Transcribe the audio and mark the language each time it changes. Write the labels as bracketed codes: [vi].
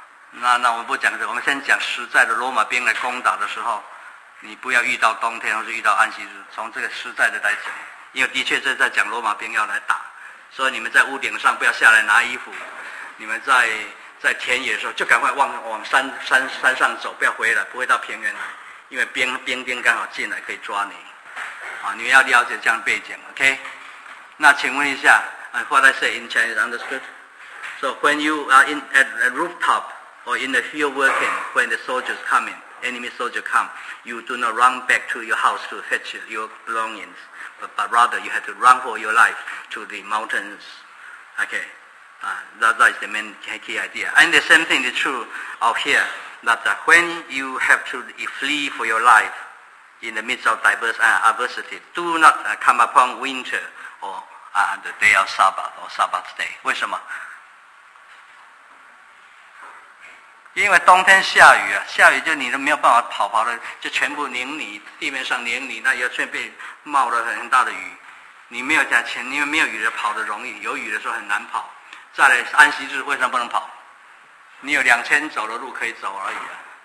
[zh] 那我们不讲这个，我们先讲实在的，罗马兵来攻打的时候，你不要遇到冬天或是遇到安息日，从这个实在的来讲，因为的确是在讲罗马兵要来打，所以你们在屋顶上不要下来拿衣服，你们在田野的时候就赶快往山上走，不要回来，不会到平原来，因为兵刚好进来可以抓你啊，你们要了解这样的背景 ，OK？那请问一下 [en] ，What I say in Chinese understood? So when you are in at a rooftop or in the field working, when the soldiers come in, enemy soldier come, you do not run back to your house to fetch your belongings, but rather you have to run for your life to the mountains, OK？啊 ，that is the main key idea. And the same thing is true out here, that when you have to flee for your life. In the midst of adversity, do not come upon winter or the day of Sabbath or Sabbath day. [zh] 为什么？因为冬天下雨啊，下雨就你都没有办法跑的，就全部黏泥，地面上黏泥，那要顺便冒了很大的雨，你没有加钱，因为没有雨的跑的容易，有雨的时候很难跑。再来安息日为什么不能跑？你有2000走的路可以走而已啊。